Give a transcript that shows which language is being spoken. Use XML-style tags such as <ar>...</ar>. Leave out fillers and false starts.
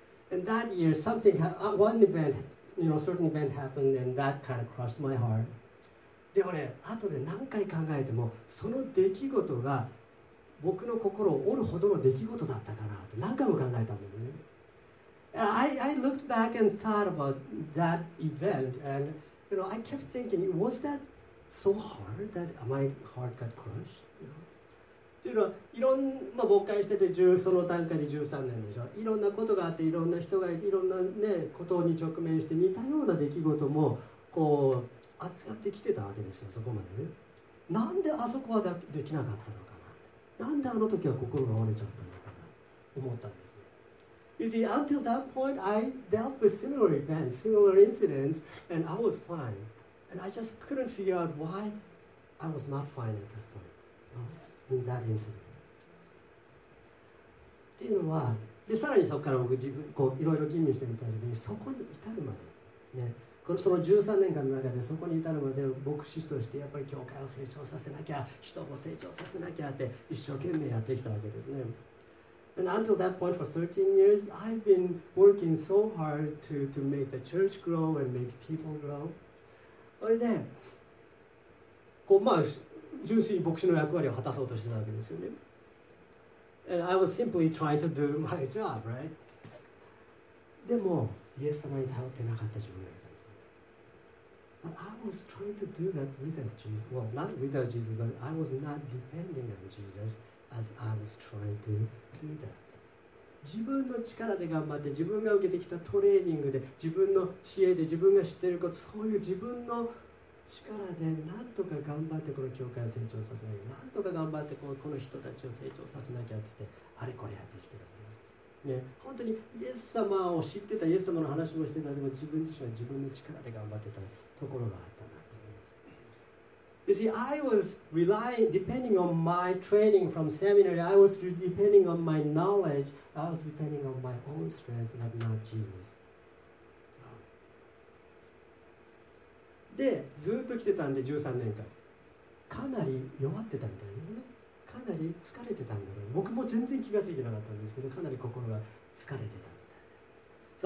<en>And that year, something, one event, you know, certain event happened and that kind of crushed my heart.</en> <ja>でもね、後で何回考えてもその出来事が僕の心を折るほどの出来事だったかなって何回も考えたんですね。</ja> <en>I looked back and thought about that event and you know, I kept thinking, was that so hard that my heart got crushed?</en> <ja>というのは、いろんな牧会してて、その段階で13年でしょ。いろんなことがあって、いろんな人がいて、いろんな、ね、ことに直面して、似たような出来事もこう扱ってきてたわけですよ、そこまで、ね、なんであそこはできなかったのかな、なんであの時は心が折れちゃったのかな思ったんですね。</ja> <en>You see, until that point, I dealt with similar events, similar incidents, and I was fine. And I just couldn't figure out why I was not fine at that point, in that incident.</en> <ja>っていうのは、でさらにそこから僕自分こういろいろ吟味してみたときに、そこに至るまで、ね、その13年間の中でそこに至るまで牧師としてやっぱり教会を成長させなきゃ、人を成長させなきゃって一生懸命やってきたわけですね。</ja> <en>And until that point for 13 years, I've been working so hard to make the church grow and make people grow.</en> <ja>それで、こうまあ純粋に牧師の役割を果たそうとしてたわけですよね。</ja> <en>And I was simply trying to do my job, right?</en> <ja>でも、イエス様に頼ってなかった自分が。</ja> <en>But I was trying to do that without Jesus. Well, not without Jesus, but I was not depending on Jesus as I was trying to do that.</en> <ja>自分の力で頑張って、自分が受けてきたトレーニングで、自分の知恵で、自分が知っていること、そういう自分の力で何とか頑張ってこの教会を成長させなきゃ、何とか頑張ってこの人たちを成長させなきゃって、あれこれやってきてる。ね、本当にイエス様を知ってた、イエス様の話もしてた、でも自分自身は自分の力で頑張ってたところがあったなと思います。</ja> <en>You see, I was relying, depending on my training from seminary, I was depending on my knowledge, I was depending on my own strength, but not Jesus.</en> <ja>で、ずっと来てたんで13年間。かなり弱ってたみたいですね。かなり疲れてたんだろう。僕も全然気がついてなかったんですけど、かなり心が疲れてたみたいです。</ja>